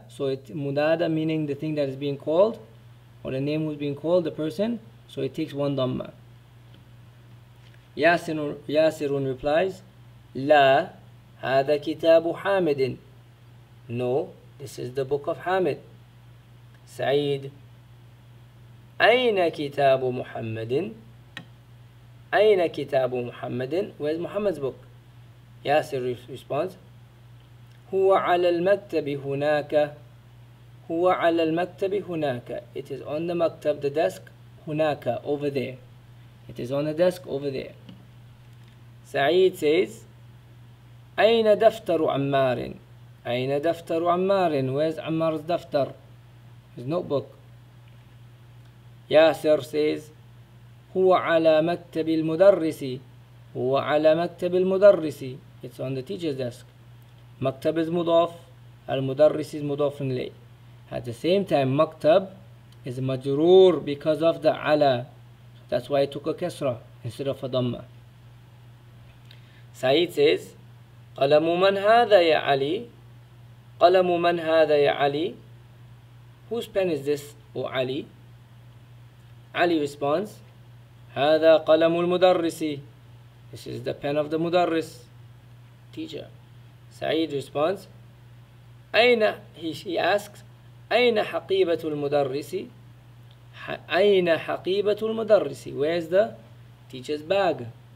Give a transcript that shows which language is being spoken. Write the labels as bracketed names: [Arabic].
[English] So it منادى meaning the thing that is being called, or the name who's being called, the person. So it takes one dhamma. [Arabic] ياسر [English] replies, [Arabic] لا هذا كتاب حامد. [English] No, this is the book of حامد. [Arabic] سعيد, أين كتاب محمد؟ [English] أين كتاب محمد؟ Where is Muhammad's book? [Arabic] ياسر [English] responds, [Arabic] هو على المكتب هناك. هو على المكتب هناك. [English] It is on the maktab, the desk, هناك, over there. It is on the desk over there. [Arabic] سعيد [English] says, [Arabic] أين دفتر عمار؟ أين دفتر عمار؟ [English] Where is عمار's دفتر? His notebook. [Arabic] ياسر [English] says, [Arabic] هو على مكتب المدرس. هو على مكتب المدرس. [English] It's on the teacher's desk. [Arabic] مكتب is مضاف. [English] المدرس is مضاف إلي. At the same time, مكتب is مجرور because of the على. That's why it took a كسرة instead of a ضمة. [Arabic] سعيد [English] says, [Arabic] قلم من هذا يا علي؟ قلم من هذا يا علي؟ [English] Whose pen is this, O Ali? [Arabic] Ali [English] responds, [Arabic] هذا قلم المدرس. [English] This is the pen of the مدرس, teacher. [Arabic] سعيد [English] responds, [Arabic] أين, [English] he asks, [Arabic] أين حقيبة المدرس؟ أين حقيبة المدرس؟ [English] Where is the teacher's bag?